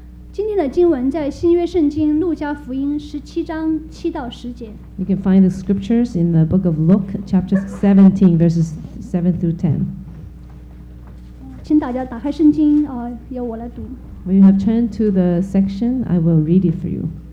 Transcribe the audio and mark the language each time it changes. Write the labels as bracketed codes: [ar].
[zh] 今天的经文在新约圣经路加福音17:7-10。 [en] You can find the scriptures in the book of Luke, chapter 17, verses 7 through 10. [zh] 请大家打开圣经，由我来读。 [en] When you have turned to the section, I will read it for you.